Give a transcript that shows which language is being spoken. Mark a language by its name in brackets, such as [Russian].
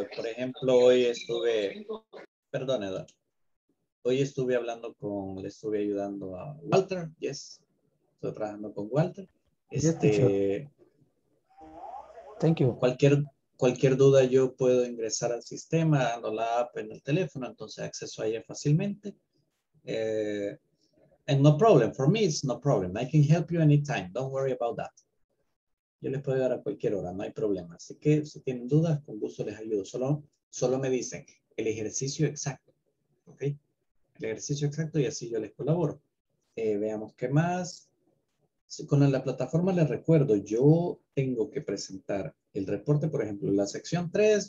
[Spanish] Por ejemplo, hoy estuve hablando con, le estuve ayudando a Walter, yes, estoy trabajando con Walter. Este, [English] thank you. [Spanish] Cualquier duda yo puedo ingresar al sistema, dando la app en el teléfono, entonces acceso a ella fácilmente. [English] And no problem, for me it's no problem. I can help you anytime, don't worry about that. [Spanish] Yo les puedo ayudar a cualquier hora, no hay problema. Así que si tienen dudas, con gusto les ayudo. Solo me dicen el ejercicio exacto, ¿ok? El ejercicio exacto y así yo les colaboro. Veamos qué más. Si con la plataforma les recuerdo, yo tengo que presentar el reporte, por ejemplo, la sección 3.